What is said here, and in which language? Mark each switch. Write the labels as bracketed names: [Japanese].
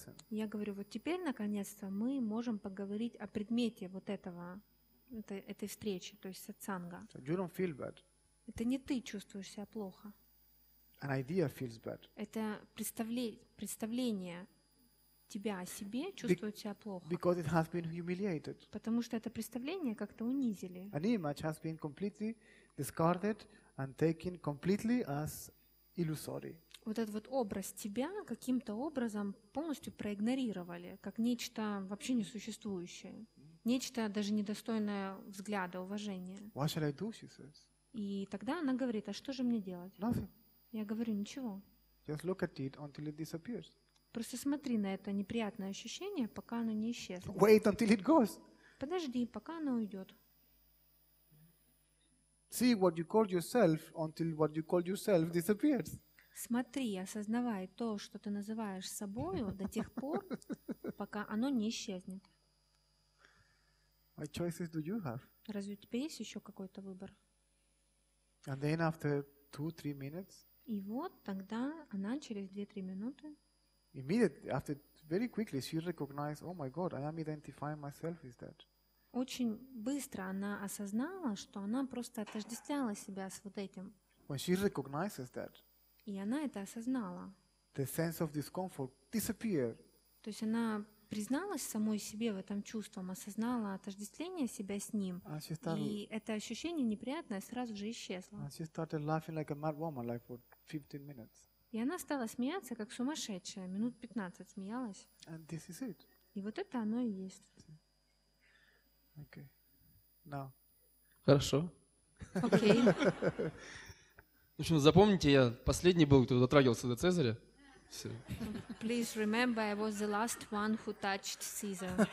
[Russian] Я говорю, вот теперь, наконец-то, мы можем поговорить о предмете вот этого, этой встречи, то есть сатсанга. [English] So you don't feel bad. [Russian] Это не ты чувствуешь себя плохо. [English] An idea feels bad. [Russian] Это представление тебя о себе чувствует себя плохо. [English] Because it has been humiliated. [Russian] Потому что это представление как-то унизили. [English] An image has been completely discarded and taken completely as illusory. [Russian] Вот этот вот образ тебя каким-то образом полностью проигнорировали, как нечто вообще несуществующее. Нечто даже недостойное взгляда, уважения. [English] What shall I do, she says. [Russian] И тогда она говорит, а что же мне делать? [English] Nothing. [Russian] Я говорю, ничего. [English] Just look at it until it disappears. [Russian] Просто смотри на это неприятное ощущение, пока оно не исчезнет. [English] Wait until it goes. [Russian] Подожди, пока оно уйдет. [English] See what you called yourself until what you called yourself disappears. [Russian] Смотри, осознавай то, что ты называешь собою, до тех пор, пока оно не исчезнет. [English] What choices do you have? [Russian] Разве у тебя есть еще какой-то выбор? [English] And then after 2-3 minutes. [Russian] И вот тогда она через 2-3 минуты. [English] Immediately, after very quickly, she recognized, "Oh my God, I am identifying myself with that." [Russian] Очень быстро она осознала, что она просто отождествляла себя с вот этим. [English] When she recognizes that, [Russian] и она это осознала. [English] The sense of discomfort disappeared. [Russian] То есть она призналась самой себе в этом чувством, осознала отождествление себя с ним, и это ощущение неприятное сразу же исчезло. [English] And she started laughing like a mad woman, like for 15 minutes. [Russian] И она стала смеяться, как сумасшедшая, минут 15 смеялась. [English] And this is it. [Russian] И вот это оно и есть. [English] Okay. Now. [Russian] Хорошо. [English] Okay. [Russian] В общем, запомните, я последний был, кто дотрагивался до Цезаря. Все. [English] Please remember, I was the last one who touched Caesar.